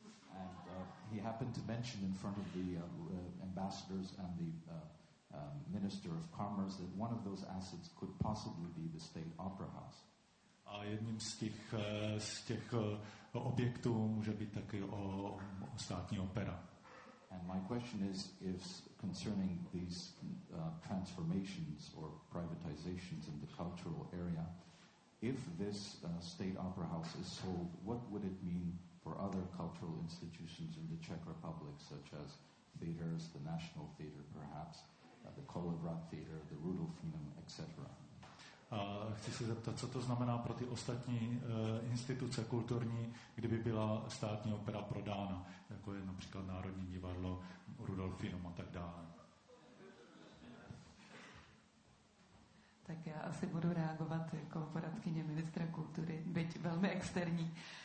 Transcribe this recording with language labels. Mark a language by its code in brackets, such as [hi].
[en] And he happened to mention in front of the ambassadors and the Minister of Commerce that one of those assets could possibly be the State Opera House. [cs] A jedním z těch objektů může být taky o státní opera. [en] And my question is if concerning these transformations or privatizations in the cultural area, if this State Opera House is sold, what would it mean for other cultural institutions in the Czech Republic, such as theaters, the National Theater perhaps, the Kolovrat Theater, the Rudolf Film, etc. [cs] Chci se zeptat, co to znamená pro ty ostatní instituce kulturní, kdyby byla státní opera prodána, jako je například Národní divadlo, Rudolf Film a tak dále. Tak já asi budu reagovat jako poradkyně ministra kultury, byť velmi externí.